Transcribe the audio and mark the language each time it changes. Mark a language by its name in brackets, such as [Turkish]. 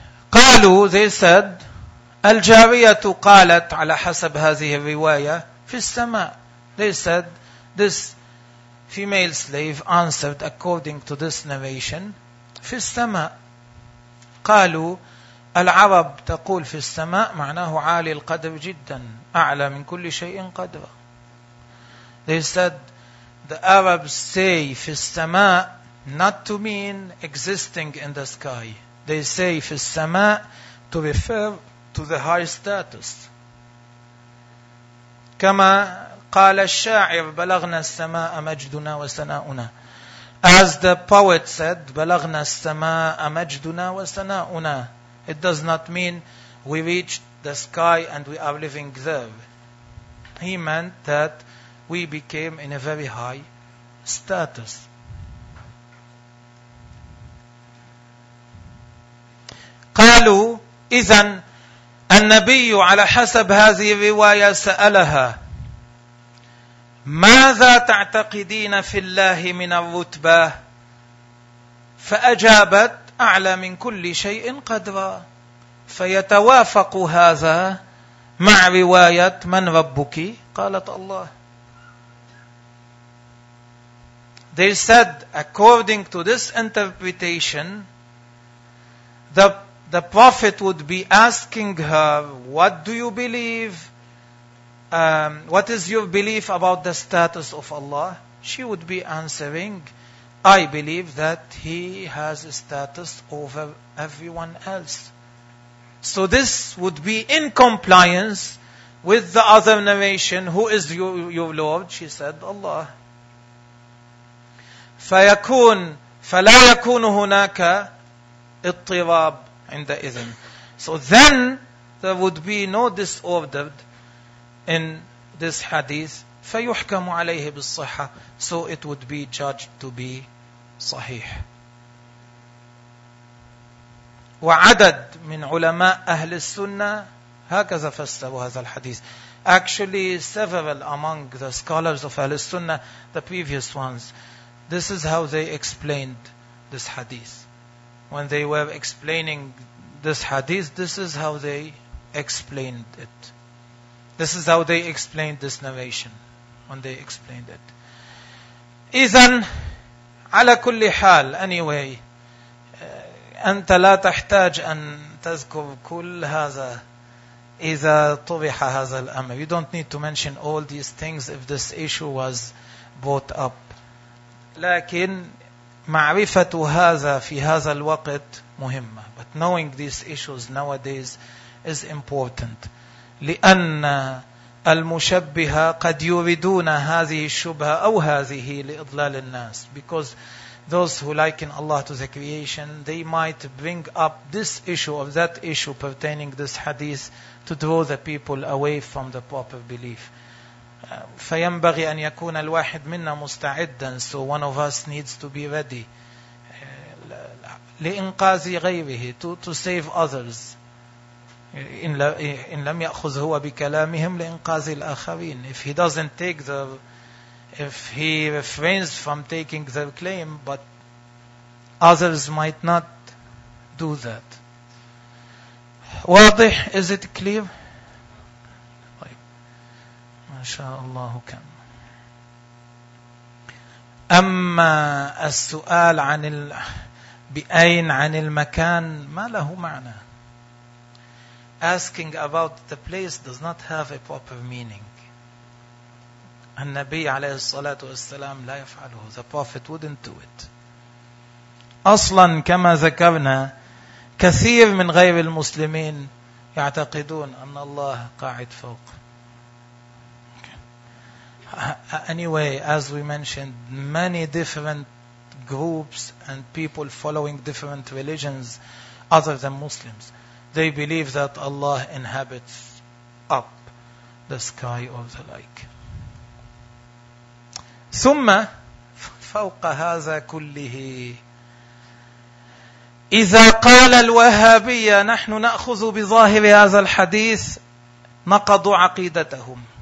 [Arabic] قالوا, [English] they said, [Arabic] الجارية قالت على حسب هذه الرواية في السماء. [English] They said, this female slave answered according to this narration [Arabic] في السماء. قالوا, العرب تقول في السماء معناه عالي القدر جدا, أعلى من كل شيء قدر. [English] They said, the Arabs say [Arabic] في السماء [English] not to mean existing in the sky. They say [Arabic] في السماء [English] to refer to the high status. [Arabic] كما قال الشاعر بلغنا السماء مجدنا وسناؤنا. [English] As the poet said, [Arabic] بلغنا السماء مجدنا وسناؤنا. [English] It does not mean we reached the sky and we are living there. He meant that we became in a very high status. [Arabic] قالوا إذن النبي على حسب هذه الرواية سألها ماذا تعتقدين في الله من الرتبة فأجابت أعلى من كل شيء قدرا فيتوافق هذا مع رواية من ربك قالت الله. [English] They said according to this interpretation the Prophet would be asking her, what do you believe? What is your belief about the status of Allah? She would be answering, I believe that He has a status over everyone else. So this would be in compliance with the other narration, who is your Lord? She said, Allah. [Arabic] فيكون فلا يكون هناك اضطراب. عندئذن. [English] So then there would be no disorder in this hadith. [Arabic] فيحكم عليه بالصحة. [English] So it would be judged to be صحيح. [Arabic] وعدد من علماء أهل السنة هكذا فسروا هذا الحديث. [English] Actually several among the scholars of أهل السنة, the previous ones, this is how they explained this hadith. When they were explaining this hadith, this is how they explained it. This is how they explained this narration, when they explained it. [Arabic] إذن على كل حال, [English] anyway, [Arabic] أنت لا تحتاج أن تذكر كل هذا إذا طرح هذا الأمر. [English] You don't need to mention all these things if this issue was brought up. [Arabic] لكن معرفة هذا في هذا الوقت مهمة. [English] But knowing these issues nowadays is important. [Arabic] لأن المشبهة قد يريدون هذه الشبهة أو هذه لإضلال الناس. [English] Because those who liken Allah to the creation, they might bring up this issue or that issue pertaining this hadith to draw the people away from the proper belief. [Arabic] فينبغي أن يكون الواحد منا مستعدا. [English] So one of us needs to be ready. [Arabic] لإنقاذ غيره, [English] to save others. [Arabic] إن لم يأخذ هو بكلامهم لإنقاذ الآخرين. [English] If he doesn't take their, if he refrains from taking their claim, but others might not do that. [Arabic] واضح? [English] Is it clear? [Arabic] ما شاء الله كم. أما السؤال عن بأين عن المكان ما له معنى. [English] Asking about the place does not have a proper meaning. [Arabic] النبي عليه الصلاة والسلام لا يفعله. [English] The Prophet wouldn't do it. [Arabic] أصلا كما ذكرنا كثير من غير المسلمين يعتقدون أن الله قاعد فوق. [English] Anyway, as we mentioned, many different groups and people following different religions other than Muslims, they believe that Allah inhabits up the sky or the like. [Arabic] ثم فوق هذا كله إذا قال الوهابية نحن نأخذ بظاهر هذا الحديث نقضوا عقيدتهم.